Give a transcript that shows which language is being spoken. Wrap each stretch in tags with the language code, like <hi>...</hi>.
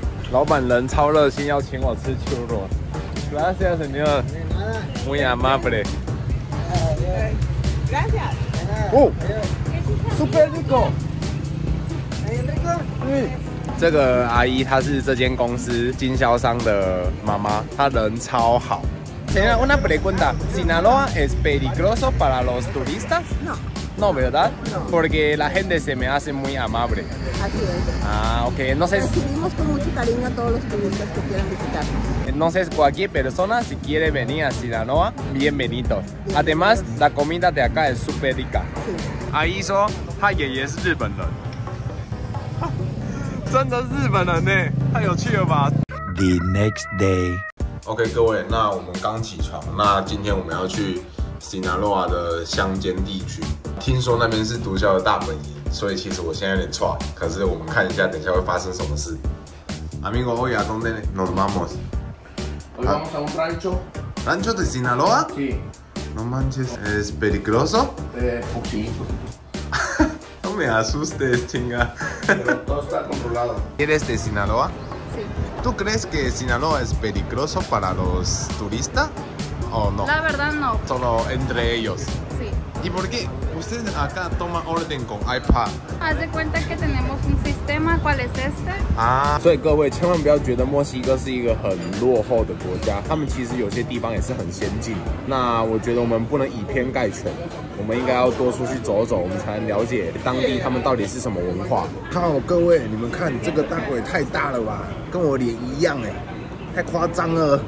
<zh>老板人超热心要请我吃 Churros，</zh> <es>gracias señor， muy amable， gracias，哦， super rico， rico，</es> <zh>对。这个阿姨她是这间公司经销商的妈妈，她人超好。</zh> <es>Señora, una pregunta. ¿Sinaloa es peligroso para los turistas? No. No, ¿verdad? No. Porque la gente se me hace muy amable. Así es. Ah, ok. Entonces, recibimos con mucho cariño a todos los turistas que quieran visitarnos. Entonces, cualquier persona si quiere venir a Sinaloa, bienvenido. Bien, además, bien. La comida de acá es súper rica. Sí. Ahí hizo, ¡ay, que es de Japón!</es> <zh>真的日本人呢，太有趣了吧</zh> <en>！The next day，</en> <zh>OK， 各位，那我们刚起床，那今天我们要去 Sinaloa 的乡间地区，听说那边是毒枭的大本营，所以其实我现在有点怵，可是我们看一下，等一下会发生什么事。</zh> <es>Amigo, hoy a dónde nos vamos? Hoy vamos a un rancho. Rancho de Sinaloa? Sí. No manches, es peligroso? Sí. Me asustes, chinga. Pero todo está controlado. ¿Eres de Sinaloa? Sí. ¿Tú crees que Sinaloa es peligroso para los turistas o no? La verdad no. Solo entre ellos. Sí. ¿Y por qué usted acá toma orden con iPad? Haz de cuenta que tenemos un sistema, ¿cuál es este? Ah.</es> <zh>所以各位千万不要觉得墨西哥是一个很落后的国家，他们其实有些地方也是很先进。那我觉得我们不能以偏概全，我们应该要多出去走走，我们才能了解当地他们到底是什么文化。靠，各位，你们看这个大鬼太大了吧，跟我脸一样哎，太夸张了。</zh>